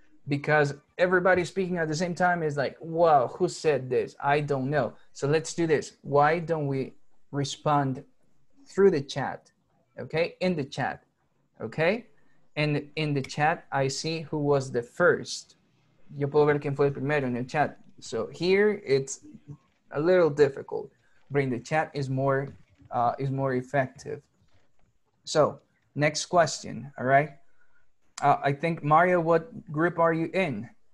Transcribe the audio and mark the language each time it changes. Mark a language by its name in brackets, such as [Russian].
[English] Because everybody speaking at the same time is like, wow, who said this? I don't know. So let's do this. Why don't we respond through the chat? Okay, in the chat. Okay, and in the chat, I see who was the first. [Spanish] Yo puedo ver quién fue el primero en el chat. [English] So here it's a little difficult, but in the chat is more effective. So next question, all right? I think, Mario, what group are you in?